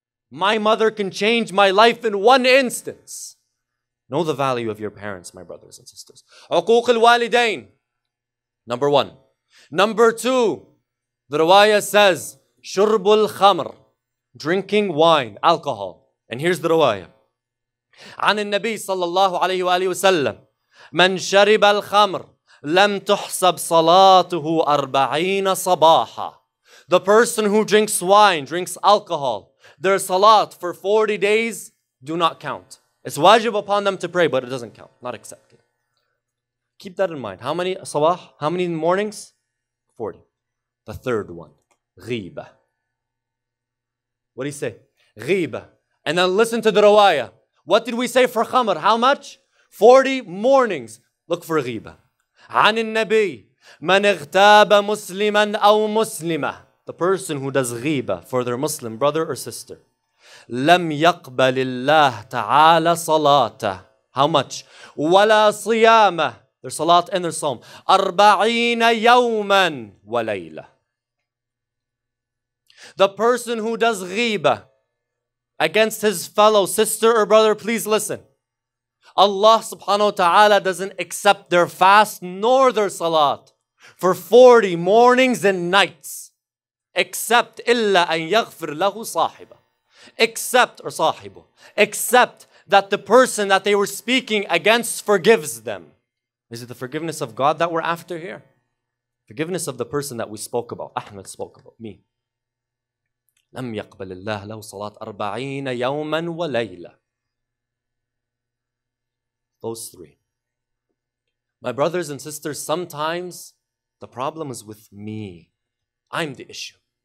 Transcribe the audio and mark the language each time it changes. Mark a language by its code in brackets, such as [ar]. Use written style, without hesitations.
[en] My mother can change my life in one instance. Know the value of your parents, my brothers and sisters. [ar] عقوق الوالدين. [en] Number one. Number two, the riwayah says, [ar] شرب الخمر. [en] Drinking wine, alcohol. And here's the riwayah. [ar] عن النبي صلى الله عليه وآله وسلم. من شرب الخمر. لَمْ تُحْسَبْ صَلَاتُهُ أَرْبَعِينَ صَبَاحًا. [en] The person who drinks wine, drinks alcohol, their salat for 40 days do not count. It's wajib upon them to pray, but it doesn't count. Not accepted. Keep that in mind. How many sabah? How many mornings? 40. The third one. Ghiba. What do you say? Ghiba. And then listen to the rawaya. What did we say for khamr? How much? 40 mornings. Look for ghiba. [ar] عن النبي من اغتاب مسلما أو مسلمة. [en] The person who does ghiba for their Muslim brother or sister. [ar] لم يقبل الله تعالى صلاته. How much? ولا صيامه. [en] Their salat and their psalm. [ar] 40 يوما وليلة. [en] The person who does ghiba against his fellow sister or brother, please listen. Allah subhanahu wa ta'ala doesn't accept their fast nor their salat for 40 mornings and nights. Except [ar] illa an yaghfir lahu sahiba. [en] Except or sahibu. Except that the person that they were speaking against forgives them. Is it the forgiveness of God that we're after here? Forgiveness of the person that we spoke about. Ahmed spoke about me. [ar] لم يقبل الله له صلاة 40 يوما وليلة. [en] Those three. My brothers and sisters, sometimes the problem is with me. I'm the issue.